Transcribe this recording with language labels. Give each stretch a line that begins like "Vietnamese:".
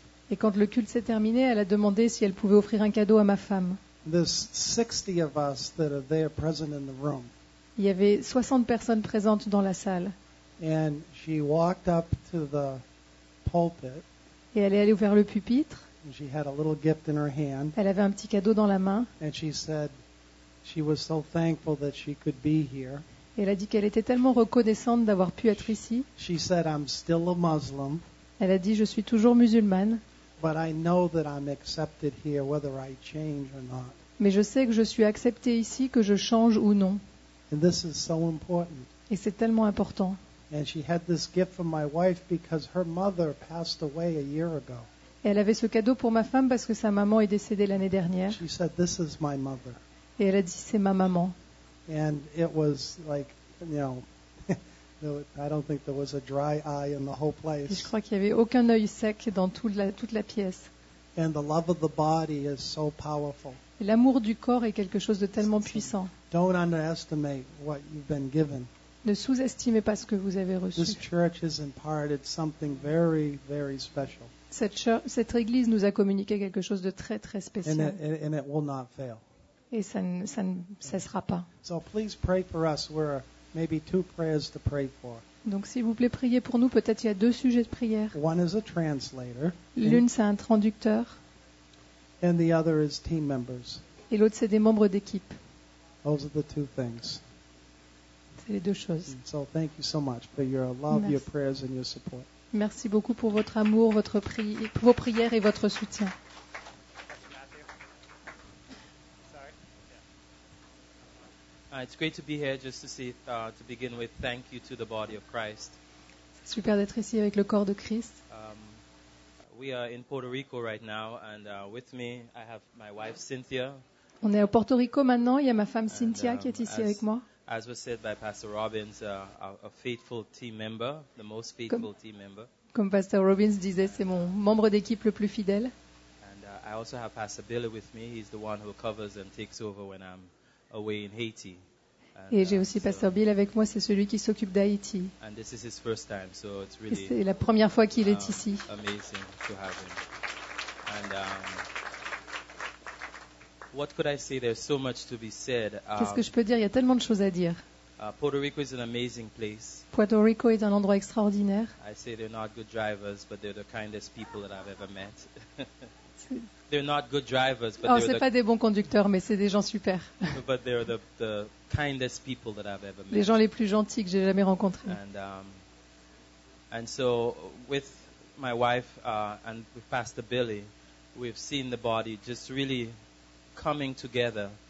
French: et quand le culte s'est terminé, elle a demandé si elle pouvait offrir un cadeau à ma femme.
English: 60 of us that are there in the room.
French: Il y avait 60 personnes présentes dans la salle.
English: And she up to the pulpit,
French: et elle est allée vers le pupitre.
English: And she had a gift in her hand,
French: elle avait un petit cadeau dans la main. Et elle a dit,
English: she was so thankful that she could be here.
French: Elle a dit qu'elle était tellement reconnaissante d'avoir pu être ici.
English: She said, I'm still a Muslim.
French: Elle a dit, je suis toujours musulmane.
English: But I know that I'm accepted here, whether I change or not.
French: Mais je sais que je suis acceptée ici, que je change ou non.
English: And this is so important.
French: Et c'est tellement important.
English: And she had this gift from my wife because her mother passed away a year ago.
French: Et elle avait ce cadeau pour ma femme parce que sa maman est décédée l'année dernière.
English: She said, this is my mother.
French: Et elle a dit, c'est ma maman.
English: And it was like, you know, I don't think there was a dry eye in the whole place.
French: Je crois qu'il y avait aucun œil sec dans toute la pièce.
English: And the love of the body is so powerful.
French: Et l'amour du corps est quelque chose de tellement puissant.
English: Don't underestimate what you've been given.
French: Ne sous-estimez pas ce que vous avez reçu.
English: This church has imparted something very, very special.
French: Cette église nous a communiqué quelque chose de très, très spécial.
English: And it will not fail.
French: Et ça ne cessera pas.
English: So please pray for us. We're maybe two prayers to pray for.
French: Donc s'il vous plaît, priez pour nous. Peut-être il y a deux sujets de prière.
English: One is a translator.
French: L'une, c'est un traducteur.
English: And the other is team members.
French: Et l'autre, c'est des membres d'équipe.
English: Those are the two things.
French: C'est les deux choses.
English: So thank you so much for your love, your prayers and your support.
French: Merci beaucoup pour votre amour, vos prières et votre soutien.
English: It's great to be here just to see to begin with thank you to the body of Christ.
French: C'est super d'être ici avec le corps de Christ.
English: We are in Puerto Rico right now and with me I have my wife Cynthia.
French: On est au Puerto Rico maintenant, il y a ma femme Cynthia qui est ici avec moi.
English: As was said by Pastor Robbins, a faithful team member, the most faithful team member.
French: Comme Pastor Robbins disait, c'est mon membre d'équipe le plus fidèle.
English: And I also have Pastor Billy with me. He's the one who covers and takes over when I'm away in Haiti.
French: Et j'ai aussi Pasteur Bill avec moi, c'est celui qui s'occupe d'Haïti.
English: And this is his first time, so it's really.
French: Et c'est la première fois qu'il est ici.
English: Amazing to have him. And what could I say? There's so much to be said.
French: Qu'est-ce que je peux dire? Il y a tellement de choses à dire.
English: Puerto Rico is an amazing place.
French: Puerto Rico est un endroit extraordinaire.
English: I say they're not good drivers, but they're the kindest people that I've ever met. They're not good drivers, but
French: c'est pas des bons conducteurs, mais c'est des gens super.
English: But they're the kindest people that I've ever met.
French: Les gens les plus gentils que j'ai jamais rencontrés.
English: And so with my wife and with Pastor Billy, we've seen the body just really coming together.